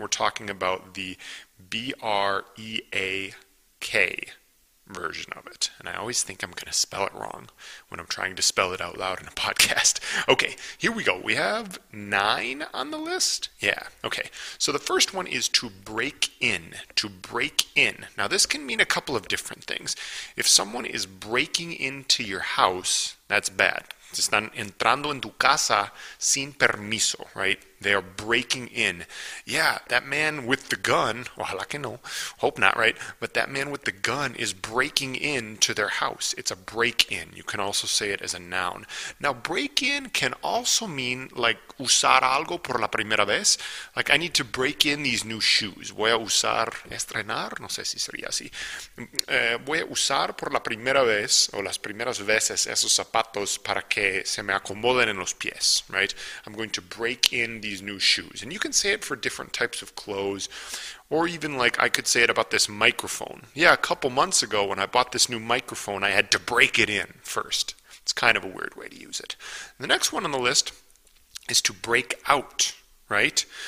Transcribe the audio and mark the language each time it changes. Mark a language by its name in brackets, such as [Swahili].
[English] We're talking about the B-R-E-A-K version of it, and I always think I'm going to spell it wrong when I'm trying to spell it out loud in a podcast. Okay, here we go. We have 9 on the list. Yeah, okay. So the first one is to break in. To break in. Now, this can mean a couple of different things. If someone is breaking into your house, that's bad. [Spanish] Están entrando en tu casa sin permiso, right? [English] They are breaking in. Yeah, that man with the gun, [Spanish] ojalá que no, [English] hope not, right? But that man with the gun is breaking in to their house. It's a break-in. You can also say it as a noun. Now, break-in can also mean like [Spanish] usar algo por la primera vez. [English] Like, I need to break in these new shoes. [Spanish] Voy a usar, estrenar, no sé si sería así. Voy a usar por la primera vez o las primeras veces esos zapatos para que se me acomoden en los pies, right? [English] I'm going to break in these new shoes. And you can say it for different types of clothes, or even like I could say it about this microphone. Yeah, a couple months ago when I bought this new microphone, I had to break it in first. It's kind of a weird way to use it. And the next one on the list is to break out, right?